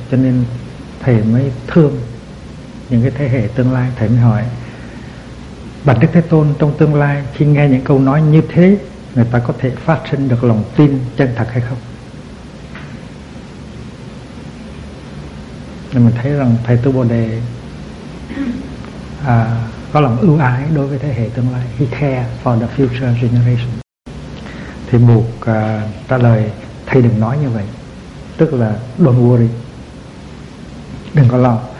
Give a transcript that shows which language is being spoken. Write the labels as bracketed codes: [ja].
[vi] Cho nên thầy mới thương những cái thế hệ tương lai, thầy mới hỏi bạch Đức Thế Tôn, trong tương lai khi nghe những câu nói như thế, người ta có thể phát sinh được lòng tin chân thật hay không? Nên mình thấy rằng thầy Tu Bồ Đề có lòng ưu ái đối với thế hệ tương lai. [en] He cares for the future generation. [vi] Thì buộc trả lời thầy đừng nói như vậy, tức là [en] don't worry, [vi] đừng có lo.